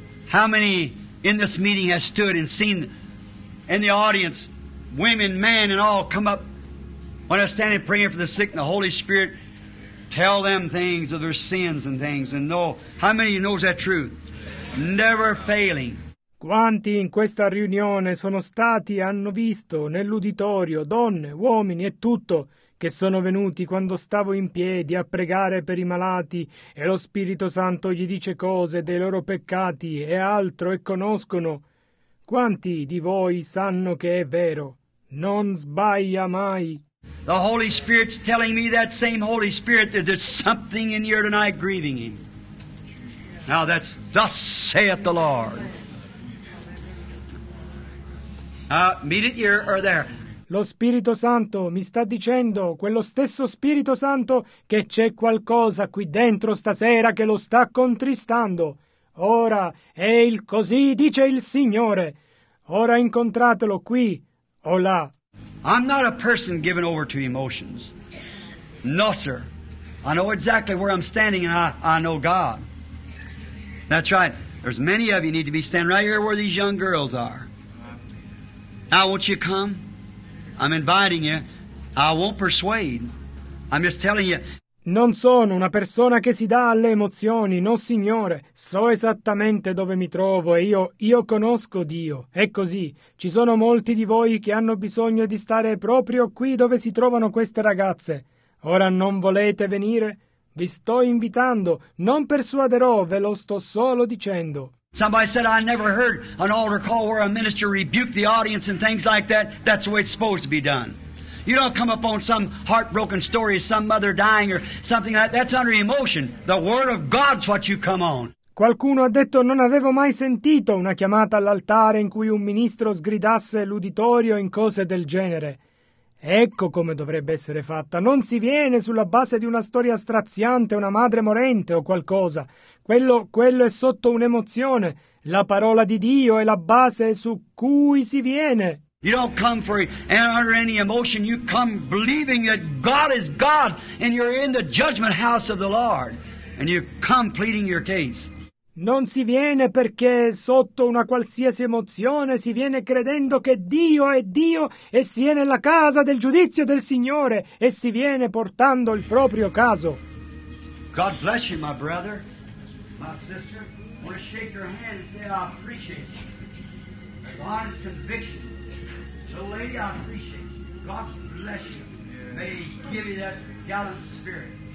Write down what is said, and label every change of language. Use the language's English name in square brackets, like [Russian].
[English] How many in this meeting have stood and seen in the audience, women, men, and all come up when I stand and praying for the sick and the Holy Spirit tell them things of their sins and things and know how many knows that truth? Never failing. [Italian] Quanti in questa riunione sono stati e hanno visto nell'uditorio donne, uomini e tutto che sono venuti quando stavo in piedi a pregare per i malati e lo Spirito Santo gli dice cose dei loro peccati e altro e conoscono? Quanti di voi sanno che è vero? Non sbaglia mai. [English] The Holy Spirit's telling me that same Holy Spirit that there's something in here tonight grieving him. Now that's thus saith the Lord. Meet it here or there. [Italian] Lo Spirito Santo mi sta dicendo, quello stesso Spirito Santo, che c'è qualcosa qui dentro stasera che lo sta contristando. Ora è il così, dice il Signore. Ora incontratelo qui o là. [English] I'm not a person given over to emotions. No, sir. I know exactly where I'm standing and I know God. That's right. There's many of you need to be standing right here where these young girls are. Now, won't you come? I'm inviting you. I won't persuade. I'm just telling you. [Italian] Non sono una persona che si dà alle emozioni, no signore. So esattamente dove mi trovo e io conosco Dio. È così. Ci sono molti di voi che hanno bisogno di stare proprio qui dove si trovano queste ragazze. Ora non volete venire? Vi sto invitando. Non persuaderò, ve lo sto solo dicendo. [English] Somebody said, I never heard an altar call where a minister rebuked the audience and things like that. That's the way it's supposed to be done. You don't come up on some heartbroken story, some mother dying or something like that. That's under emotion. The Word of God's what you come on. [Italian] Qualcuno ha detto, non avevo mai sentito una chiamata all'altare in cui un ministro sgridasse l'uditorio in cose del genere. Ecco come dovrebbe essere fatta. Non si viene sulla base di una storia straziante, una madre morente o qualcosa. Quello è sotto un'emozione. La parola di Dio è la base su cui si viene. [English] You don't come for any emotion. You come believing that God is God and you're in the judgment house of the Lord and you come pleading your case. [Italian] Non si viene perché sotto una qualsiasi emozione, si viene credendo che Dio è Dio e si è nella casa del giudizio del Signore e si viene portando il proprio caso. [English] God bless you, my brother, my sister. I want to shake your hand and say I appreciate you. Wise conviction. So lady, I appreciate you. God bless you. May He give you that gallant spirit.